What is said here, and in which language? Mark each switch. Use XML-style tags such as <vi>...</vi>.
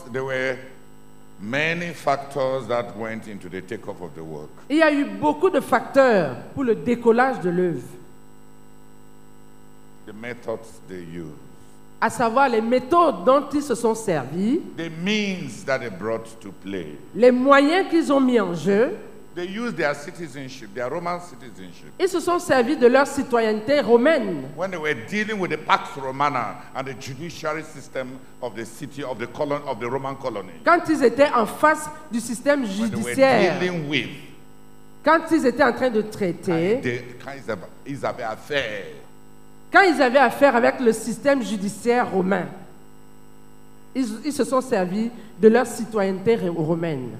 <en>There were many factors that went into the takeoff of the work.</en> <fr>Il y a eu beaucoup de facteurs pour le décollage de l'œuvre.</fr> <en>The methods they used.</en> <fr>À savoir les méthodes dont ils se sont servis.</fr> <en>The means that they brought to play.</en> <fr>Les moyens qu'ils ont mis en jeu.</fr> <en>They used their citizenship, their Roman citizenship.</en> <fr>Ils se sont servis de leur citoyenneté romaine.</fr> <en>When they were dealing with the Pax Romana and the judiciary system of the city of the colon of the Roman colony.</en> <fr>Quand ils étaient en face du système judiciaire.</fr> <en>When they were dealing with.</en> <fr>Quand ils étaient en train de traiter. Quand ils avaient affaire avec le système judiciaire romain. Ils se sont servis de leur citoyenneté romaine.</fr>